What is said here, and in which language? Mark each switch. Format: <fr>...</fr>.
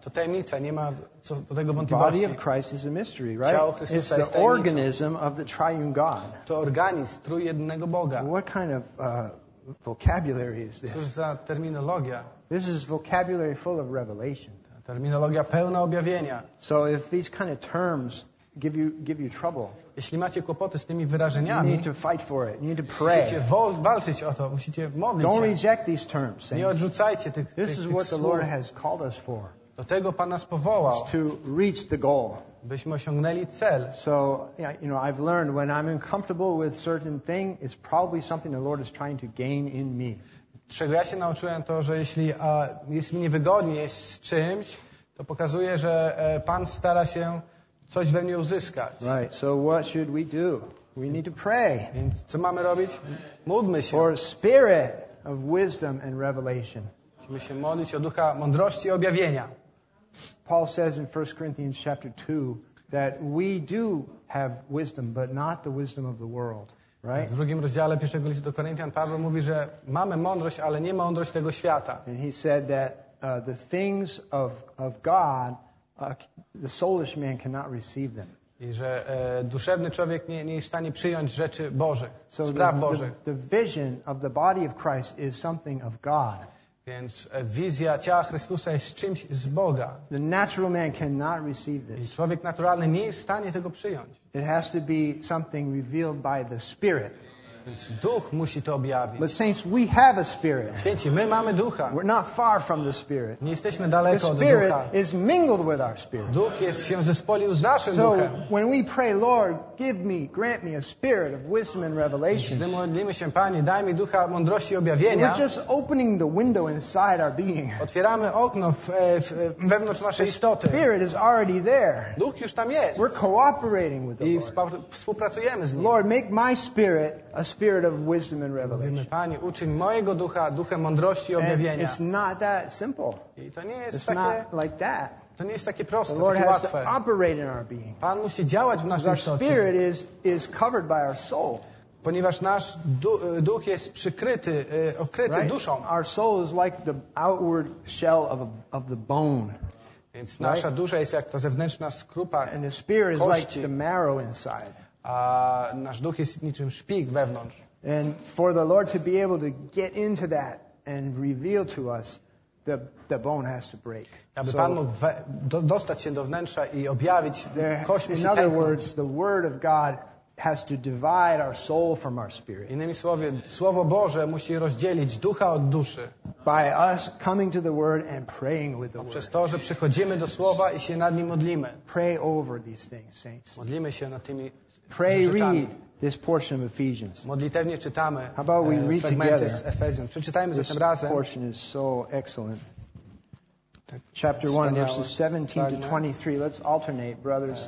<pl>To tajemnica, nie ma co do tego wątpliwości.</pl> <en>The body of Christ is a mystery, right?</en> <pl>Ciało Chrystusa</pl> <en>it's the</en> <pl>jest</pl> <en>organism of the triune God.</en> <pl>To organizm trójjednego Boga.</pl> <en>What kind of vocabulary is this?</en> <pl>Co za terminologia?</pl> <en>This is vocabulary full of revelation.</en> <pl>Terminologia pełna objawienia.</pl> <en>So if these kind of terms give you trouble.</en> <pl>Jeśli macie kłopoty z tymi wyrażeniami,</pl> <en>you need to fight for it. You need to pray.</en> <pl>Musicie walczyć o to, musicie modlić</pl> <en>don't</en> <pl>się.</pl> <en>Reject these terms, saints.</en> <pl>Nie odrzucajcie tych</pl> <en>this</en> <pl>tych</pl> <en>is what</en> <pl>słów.</pl> <en>The Lord has called us for.</en> <pl>Do tego Pan nas powołał.</pl> <en>It's to reach the goal.</en> <pl>Byśmy osiągnęli cel.</pl> <en>So, you know, I've learned when I'm uncomfortable with certain thing, it's probably something the Lord is trying to gain in me.</en> <pl>Czego ja się nauczyłem to, że jeśli jest mi niewygodnie z czymś, to pokazuje, że Pan stara się coś we mnie uzyskać.</pl> <en>Right. So what should we do? We need to pray.</en> <pl>Więc co mamy robić? Módlmy się.</pl> <en>For a spirit of wisdom and revelation.</en> <pl>Musimy się modlić o ducha mądrości i objawienia.</pl> <en>Paul says in 1 Corinthians chapter 2 that we do have wisdom, but not the wisdom of the world. Right?</en> <pl>W drugim rozdziale pierwszego listu do Koryntian Paweł mówi, że mamy mądrość, ale nie mądrość tego świata.</pl> <en>And he said that the things of God the soulish man cannot receive them.</en> <pl>I że duszewny człowiek nie jest w stanie przyjąć rzeczy Bożych, spraw Bożych.</pl> <en>The vision of the body of Christ is something of God.</en> <pl>Więc wizja ciała Chrystusa jest czymś z Boga.</pl> <en>The natural man cannot receive this.</en> <pl>I człowiek naturalny nie jest w stanie tego przyjąć.</pl> <en>It has to be something revealed by the Spirit.</en> <pl>Więc Duch musi to objawić.</pl> <en>But saints, we have a spirit.</en> <pl>Święci, my mamy Ducha.</pl> <en>We're not far from the Spirit.</en> <pl>Nie jesteśmy daleko</pl> <en>the</en> <pl>od Ducha.</pl> <en>Spirit is mingled with our spirit.</en> <pl>Duch jest się zespolił z naszym</pl> <en>so</en> <pl>Duchem.</pl> <en>So when we pray, Lord, give me, grant me a spirit of wisdom and revelation.</en> <pl>Gdy modlimy się, Panie, daj mi Ducha mądrości i objawienia.</pl> <en>We're just opening the window inside our being.</en> <pl>Otwieramy okno wewnątrz naszej</pl> <en>the</en> <pl>istoty.</pl> <en>Spirit is already there.</en> <pl>Duch już tam jest.</pl> <en>We're cooperating with the</en> <pl>I współpracujemy z Nim.</pl> <en>Lord, make my spirit a spirit of wisdom and revelation.</en> <pl>Mówimy, Panie, uczyń mojego ducha duchem mądrości i objawienia.</pl> <en>It's not that simple.</en> <pl>I to nie jest</pl> <en>it's</en> <pl>takie,</pl> <en>not like that.</en> <pl>To nie jest takie proste,</pl> <en>the Lord</en> <pl>takie</pl> <en>has</en> <pl>łatwe.</pl> <en>To operate in our being.</en> <pl>Pan musi działać w naszym</pl> <en>our spirit is covered by our soul.</en> <pl>Ponieważ nasz duch jest przykryty, okryty</pl> <en>right?</en> <pl>duszą.</pl> <en>Our soul is like the outward shell of the bone.</en> <pl>Więc right? nasza dusza jest jak ta zewnętrzna skrupa kości.</pl> <en>And the spirit is like the marrow inside.</en> <pl>A nasz duch jest niczym szpik wewnątrz.</pl> <en>And for the Lord to be able to get into that and reveal to us, the bone has to break.</en> <pl>Aby Pan mógł dostać się do wnętrza i objawić, there, kość musi pęknąć.</pl> <en>In other words, the word of God has to divide our soul from our spirit.</en> <pl>Innymi słowy, słowo Boże musi rozdzielić ducha od duszy.</pl> <en>By us coming to the word and praying with the word.</en> <pl>Przez to, że przychodzimy do słowa i się nad nim modlimy.</pl> <en>Pray over these things, saints.</en> <pl>Modlimy się nad tymi</pl> <en>pray, read this portion of Ephesians.</en> <pl>Modlitewnie czytamy.</pl> <en>How about we read together?</en> <pl>Z Efezjan. Przeczytajmy</pl> <en>this</en> <pl>zatem razem.</pl> <en>Portion is so excellent. Chapter 1, verses 17-23. Let's alternate, brothers.</en>